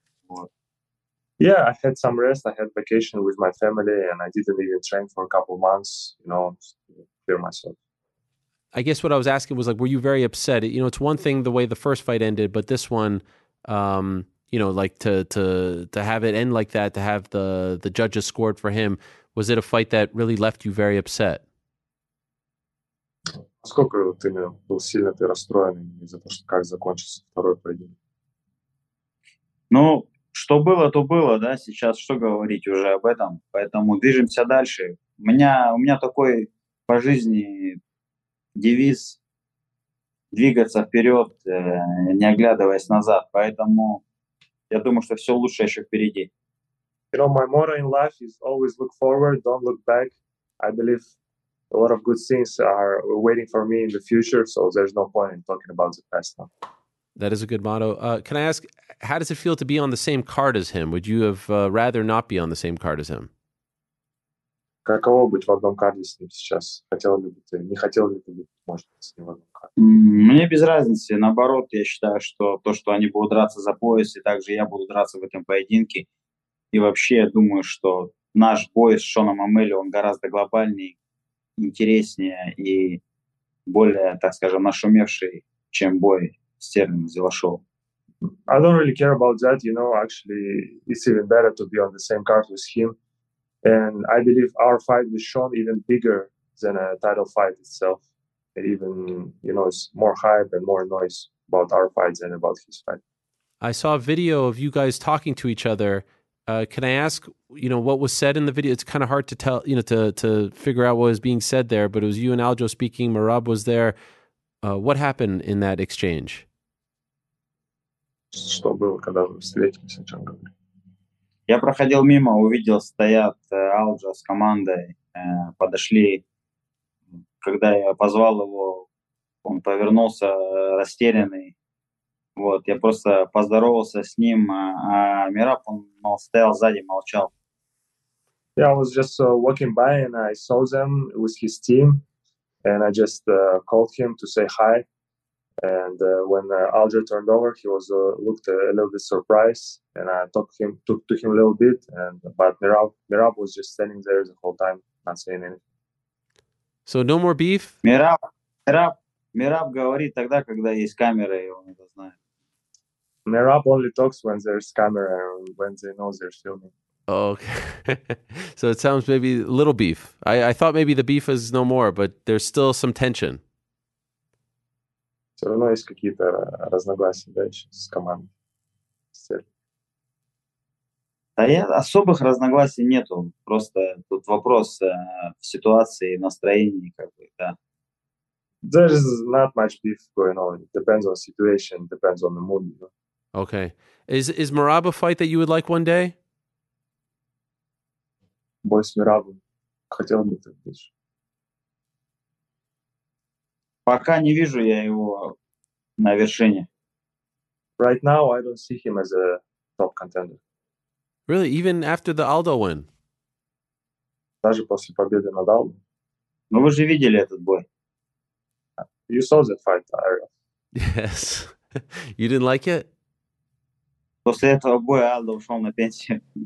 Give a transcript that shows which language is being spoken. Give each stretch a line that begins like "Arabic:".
English: Вот. Yeah, I had some rest. I had vacation with my family, and I didn't even train for a couple of months. You know, to clear myself. I guess what I was asking was, like, were you very upset? You know, it's one thing the way the first fight ended, but this one, you know, like to have it end like that, to have the judges scored for him, was it a fight that really left you very upset?
Russian: Сколько ты был сильно ты расстроен из-за того, что как закончился второй поединок? Ну, что было, то было, да. Сейчас что говорить уже об этом? Поэтому движемся дальше. У меня такой по жизни девиз: двигаться вперед, не оглядываясь назад. Поэтому я думаю, что все лучше еще впереди.
English: You know, my motto in life is always look forward, don't look back. I believe a lot of good things are waiting for me in the future, so there's no point in talking about the past now. That is a good motto. Can I ask, how does it feel to be on the same card as him? Would you have rather not be on the same card as him?
Russian: Каково быть в одном карте с ним сейчас? Хотел бы быть, не хотел бы быть, может, с ним в одном карте? Мне без разницы. Наоборот, я считаю, что то, что они будут драться за пояс, и также я буду драться в этом поединке. И вообще, я думаю, что наш бой с Шоном Амели, он гораздо глобальнее, интереснее и более, так скажем, нашумевший, чем бой Стерлинга с Дилашоу.
English: I don't really care about that, you know. Actually, it's even better to be on the same card with him. And I believe our fight with Sean even bigger than a title fight itself. And even, you know, it's more hype and more noise about our fight than about his fight. I saw a video of you guys talking to each other. Can I ask, you know, what was said in the video? It's kind of hard to tell, you know, to figure out what was being said there, but it was you and Aljo speaking, Marab was there. What happened in that exchange?
Russian: Что было, когда вы встретились, о чем говорили? Я проходил мимо, увидел, стоят Алджо с командой, подошли. Когда я позвал его, он повернулся растерянный. Вот, я просто поздоровался с ним, а Мираб, он стоял сзади, молчал.
English: Yeah, I was just walking by, and I saw them with his team, and I just called him to say hi. And when Aljo turned over, he was looked a little bit surprised, and I talked to him a little bit. But Mirab was just standing there the whole time, not saying anything. So no more beef.
Russian: Mirab говорит тогда, когда есть камеры, и он это знает.
English: Mirab only talks when there's camera or when they know they're filming. Okay, so it sounds maybe a little beef. I thought maybe the beef is no more, but there's still some tension.
Russian: Все равно есть какие-то разногласия, да, еще с командой. Да, я особых разногласий нету. Просто тут вопрос в ситуации, настроении, как бы, да.
English: There's not much beef going on. It depends on the situation, depends on the mood. You know? Okay. Is Mirab a fight that you would like one day?
Russian: Бой с Мирабом. Хотел бы ты больше. Пока не вижу я его на вершине.
English: Right now I don't see him as a top contender. Really, even after the Aldo win?
Russian: Даже после победы над Aldo? Ну вы же видели этот бой.
English: You saw that fight, Ariel. Yes. You didn't like it?
Russian: После этого боя Aldo ушел на пенсию.